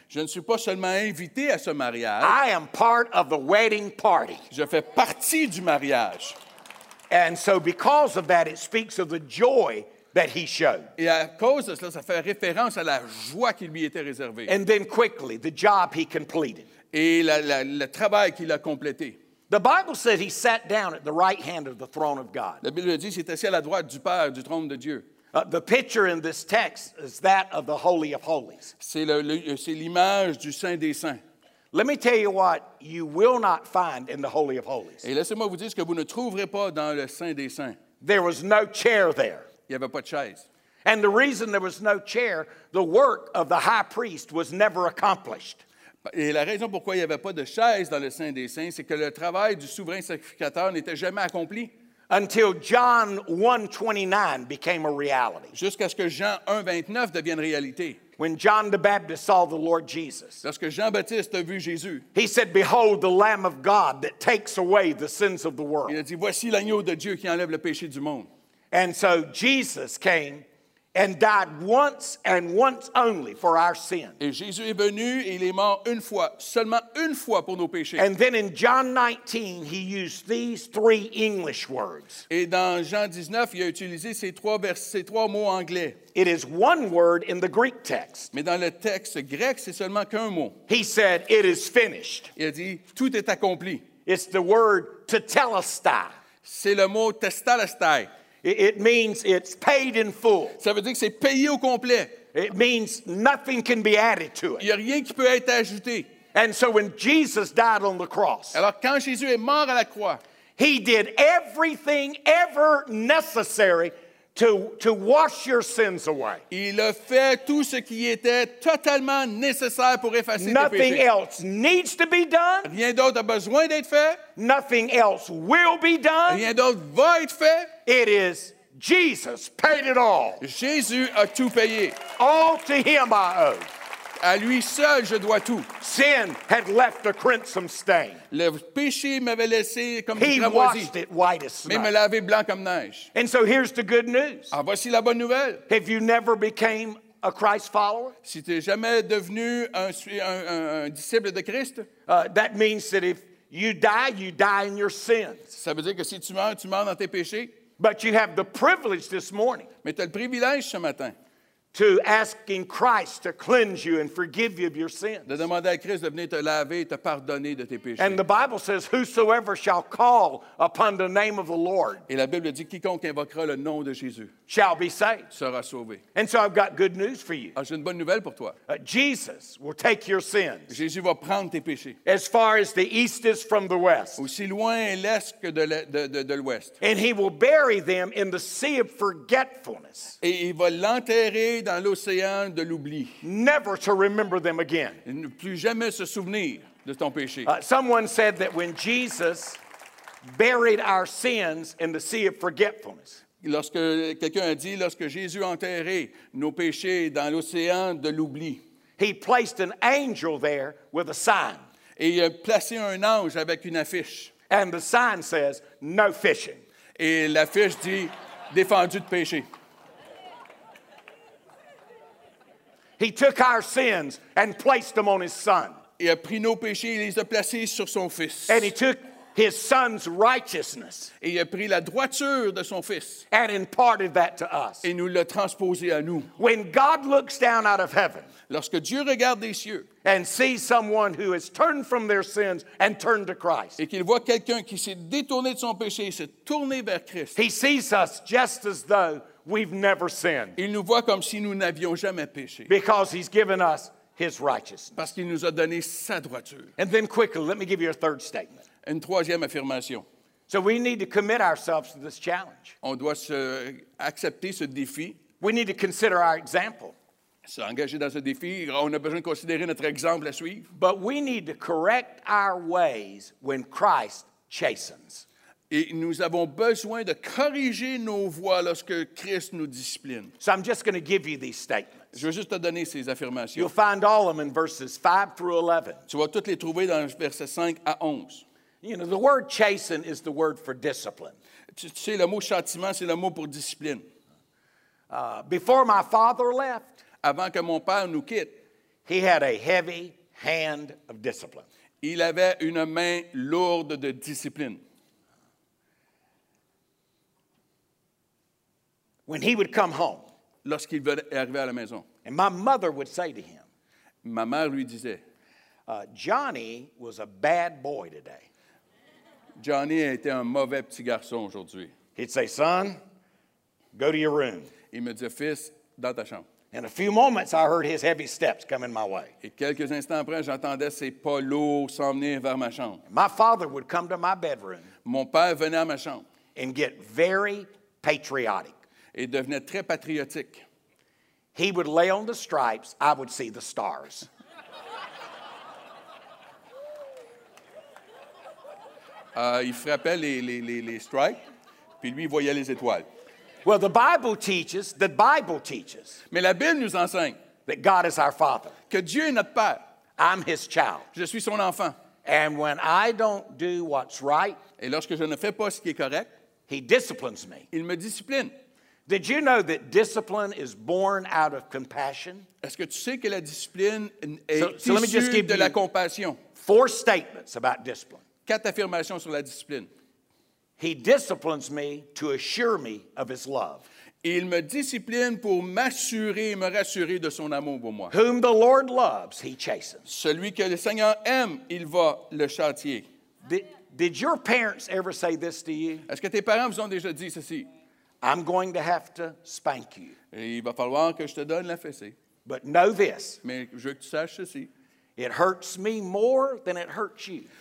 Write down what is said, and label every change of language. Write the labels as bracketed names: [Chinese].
[French] Je ne suis pas seulement invité à ce mariage. [English] I am part of the wedding party. [French] Je fais partie du mariage. [English] And so because of that, it speaks of the joy that he showed. [French] Et à cause de cela, ça fait référence à la joie qui lui était réservée. [English] And then quickly, the job he completed. [French] Et le travail qu'il a complété. [English] The Bible says he sat down at the right hand of the throne of God. [French] La Bible dit qu'il était assis à la droite du Père, du trône de Dieu. [English] The picture in this text is that of the Holy of Holies. [French] C'est l'image du Saint des Saints. [English] Let me tell you what you will not find in the Holy of Holies. [French] Et laissez-moi vous dire ce que vous ne trouverez pas dans le Saint des Saints. [English] There was no chair there. [French] Il n'y avait pas de chaise. [English] And the reason there was no chair, the work of the high priest was never accomplished. [French] Et la raison pourquoi il n'y avait pas de chaise dans le Saint des Saints, c'est que le travail du souverain sacrificateur n'était jamais accompli. [English] Until John 1:29 became a reality. [French] Jusqu'à ce que Jean 1:29 devienne réalité. [English] When John the Baptist saw the Lord Jesus. [French] Lorsque Jean-Baptiste a vu Jésus. [English] He said, "Behold the Lamb of God that takes away the sins of the world." [French] Il a dit, voici l'agneau de Dieu qui enlève le péché du monde. [English] And so Jesus came and died once and once only for our sins. [French] Et Jésus est venu et il est mort une fois, seulement une fois pour nos péchés. [English] And then in John 19, he used these three English words. [French] Et dans Jean 19, il a utilisé ces trois mots anglais. [English] It is one word in the Greek text. [French] Mais dans le texte grec, c'est seulement qu'un mot. [English] He said, "It is finished." [French] Il a dit, tout est accompli. [English] It's the word tetelestai. [French] C'est le mot tetelestai. [English] It means it's paid in full. [French] Ça veut dire que c'est payé au complet. [English] It means nothing can be added to it. [French] Il y a rien qui peut être ajouté. [English] And so when Jesus died on the cross, [French] alors quand Jésus est mort à la croix, [English] he did everything ever necessary to wash your sins away. [French] Il a fait tout ce qui était totalement nécessaire pour effacer tes péchés. [English] Nothing else needs to be done. [French] Rien d'autre a besoin d'être fait. [English] Nothing else will be done. [French] Rien d'autre va être fait. [English] It is Jesus paid it all. [French] Jésus a tout payé. [English] All to him I owe. [French] À lui seul, je dois tout. [English] Sin had left a crimson stain. [French] Le péché m'avait laissé comme [English] he washed it white as snow. [French] Mais me lavé blanc comme neige. [English] And so here's the good news. [French] Ah, voici la bonne nouvelle. [English] If you never became a Christ follower, [French] si tu n'es jamais devenu un disciple de Christ, [English] that means that if you die, you die in your sins. [French] Ça veut dire que si tu meurs dans tes péchés. [English] But you have the privilege this morning. [French] Mais tu as le privilège ce matin. [English] To asking Christ to cleanse you and forgive you of your sins. [French] De demander à Christ de venir te laver et te pardonner de tes péchés. [English] And the Bible says, "Whosoever shall call upon the name of the Lord." [French] Et la Bible dit, quiconque invoquera le nom de Jésus [English] shall be saved. [French] Sera sauvé. [English] And so I've got good news for you. [French] Ah, j'ai une bonne nouvelle pour toi. [English] Jesus will take your sins. [French] Jésus va prendre tes péchés. [English] As far as the east is from the west. [French] Aussi loin est l'est que de l'ouest. [English] And he will bury them in the sea of forgetfulness. [French] Et il va l'enterrer dans l'océan de l'oubli. [English] Never to remember them again. [French] Ne plus jamais se souvenir de ton péché. [English] Someone said that when Jesus buried our sins in the sea of forgetfulness. [French] Lorsque quelqu'un a dit, lorsque Jésus a enterré nos péchés dans l'océan de l'oubli. [English] He placed an angel there with a sign. [French] Et il a placé un ange avec une affiche. [English] And the sign says, no fishing. [French] Et l'affiche dit, défendu de pêcher. [English] He took our sins and placed them on his son. [French] Il a pris nos péchés et les a placés sur son fils. [English] And he took his son's righteousness. [French] Et il a pris la droiture de son fils. [English] And imparted that to us. [French] Et nous l'a transposé à nous. [English] When God looks down out of heaven. [French] Lorsque Dieu regarde des cieux. [English] And sees someone who has turned from their sins and turned to Christ. [French] Et qu'il voit quelqu'un qui s'est détourné de son péché et s'est tourné vers Christ. [English] He sees us just as though we've never sinned. [French] Il nous voit comme si nous n'avions jamais péché. [English] Because he's given us his righteousness. [French] Parce qu'il nous a donné sa droiture. [English] And then quickly, let me give you a third statement. [French] Une troisième affirmation. [English] So we need to commit ourselves to this challenge. [French] On doit accepter ce défi. [English] We need to consider our example. [French] S'engager dans ce défi, on a besoin de considérer notre exemple à suivre. [English] But we need to correct our ways when Christ chastens. [French] Et nous avons besoin de corriger nos voies lorsque Christ nous discipline. [English] So I'm just going to give you these statements. [French] Je vais juste te donner ces affirmations. [English] You'll find all of them in verses 5 through 11. [French] Tu vas toutes les trouver dans versets 5 à 11. [English] You know, the word chasten is the word for discipline. [French] Tu sais, le mot châtiment, c'est le mot pour discipline. [English] Before my father left, [French] avant que mon père nous quitte, [English] he had a heavy hand of discipline. [French] Il avait une main lourde de discipline. [English] When he would come home, [French] lorsqu'il venait arriver à la maison, [English] and my mother would say to him, [French] ma mère lui disait, [English] Johnny was a bad boy today. [French] Johnny a été un mauvais petit garçon aujourd'hui. [English] He'd say, son, go to your room. [French] Il me disait, fils, dans ta chambre. [English] In a few moments, I heard his heavy steps coming my way. [French] Et quelques instants après, j'entendais ses pas lourds s'en venir vers ma chambre. [English] My father would come to my bedroom. [French] Mon père venait à ma chambre. [English] And get very patriotic. [French] Et devenait très patriotique. [English] He would lay on the stripes, I would see the stars. [French] Il frappait les stripes, puis lui, il voyait les étoiles. [English] Well, the Bible teaches. [French] Mais la Bible nous enseigne. [English] That God is our father. [French] Que Dieu est notre père. [English] I'm his child. [French] Je suis son enfant. [English] And when I don't do what's right. [French] Et lorsque je ne fais pas ce qui est correct. [English] He disciplines me. [French] Il me discipline. [English] Did you know that discipline is born out of compassion? [French] Est-ce que tu sais que la discipline est issue de la compassion? [English] Four statements about discipline. [French] Quatre affirmations sur la discipline. [English] He disciplines me to assure me of his love. [French] Il me discipline pour m'assurer et me rassurer de son amour pour moi. [English] Whom the Lord loves, he chastens. [French] Celui que le Seigneur aime, il va le châtier. [English] Did your parents ever say this to you? [French] Est-ce que tes parents vous ont déjà dit ceci? [English] I'm going to have to spank you. [French] Et il va falloir que je te donne la fessée. [English] But know this. [French] Mais je veux que tu saches ceci. [English] It hurts me more than it hurts you.